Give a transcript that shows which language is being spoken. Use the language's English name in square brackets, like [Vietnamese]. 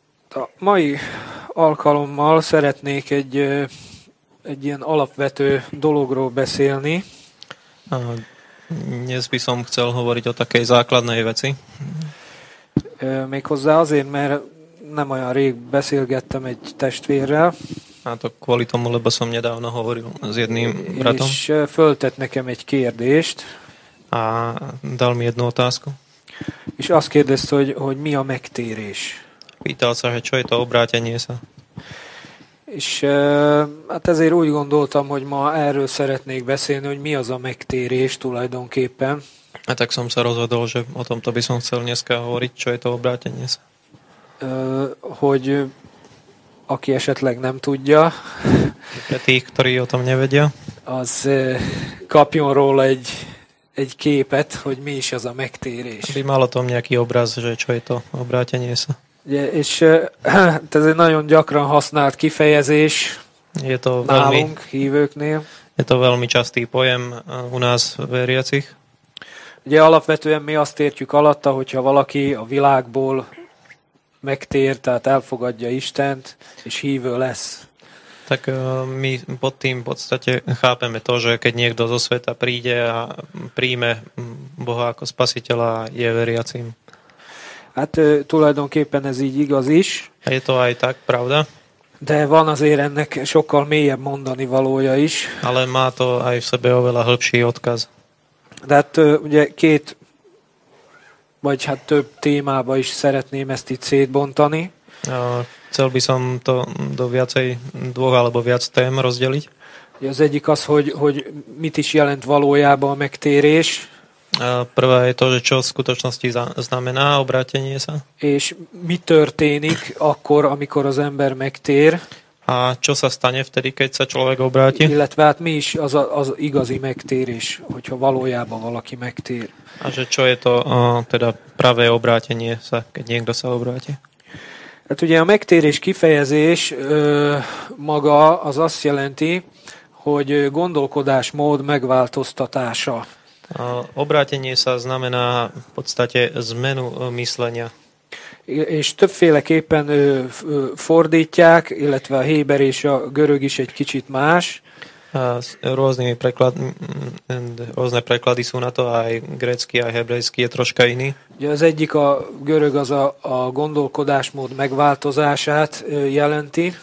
[Hungarian] A mai alkalommal szeretnék egy ilyen alapvető dologról beszélni. [Slovak] Dnes by som chcel hovoriť o takej základnej veci. [Hungarian] Méghozzá azért, mert nem olyan rég beszélgettem egy testvérrel. [Slovak] A to kvôli tomu, lebo som nedávno hovoril s jedným bratom. [Hungarian] És föltett nekem egy kérdést. [Slovak] A dal mi jednu otázku. [Hungarian] És azt kérdezte, hogy mi a megtérés. [Slovak] Pýtal sa, hogy čo je to obrátenie sa. [Hungarian] És hát ezért úgy gondoltam, hogy ma erről szeretnék beszélni, hogy mi az a megtérés tulajdonképpen. [Slovak] Hát tak som sa rozhodol, že o tomto by som chcel dneska hovoriť, čo je to obrátenie sa. [Hungarian] Hogy aki esetleg nem tudja. [Slovak] Pre tých, ktorí o tom nevedia. [Hungarian] Az kapjon róla egy képet, hogy mi is az a megtérés. [Slovak] Aby mal o tom nejaký obraz, že čo je to obrátenie sa. [Hungarian] Ugye, és ez egy nagyon gyakran használt kifejezés [Slovak] je to [Hungarian] nálunk, [Slovak] veľmi, [Hungarian] hívőknél. [Slovak] Je to veľmi častý pojem u nás veriacich. [Hungarian] Ugye alapvetően mi azt értjük alatta, hogyha valaki a világból megtér, tehát elfogadja Istent, és hívő lesz. [Slovak] Tak my pod tým v podstate chápeme to, že keď niekto zo sveta príde a príjme Boha ako spasiteľa, je veriacím. [Hungarian] Hát tulajdonképpen ez így igaz is. [Slovak] Je to aj tak, pravda? [Hungarian] De van azért ennek sokkal mélyebb mondani valója is. [Slovak] Ale má to aj v sebe oveľa hlbší odkaz. [Hungarian] De hát ugye két, vagy hát több témába is szeretném ezt itt szétbontani. [Slovak] Chcel by som to do viacej dvoch alebo viac tém rozdeliť. [Hungarian] Az egyik az, hogy mit is jelent valójában a megtérés. [Slovak] Prvé je to, že čo v skutočnosti znamená obrátenie sa. [Hungarian] És mi történik akkor, amikor az ember megtér. [Slovak] A čo sa stane vtedy, keď sa človek obráti? [Hungarian] Illetve hát mi is az igazi megtérés, hogyha valójában valaki megtér. [Slovak] A že čo je to teda pravé obrátenie sa, keď niekto sa obráti? [Hungarian] Hát ugye a megtérés kifejezés maga az azt jelenti, hogy gondolkodásmód megváltoztatása. [Slovak] Obrátenie sa znamená v podstate zmenu myslenia. [Hungarian] És többféleképpen fordítják, illetve a héber és a görög is egy kicsit más. [Slovak] Rôzne preklady sú na to, aj grécky, aj hebrejský je troška iný. [Hungarian] Ugye az egyik a görög az a gondolkodásmód megváltozását jelenti.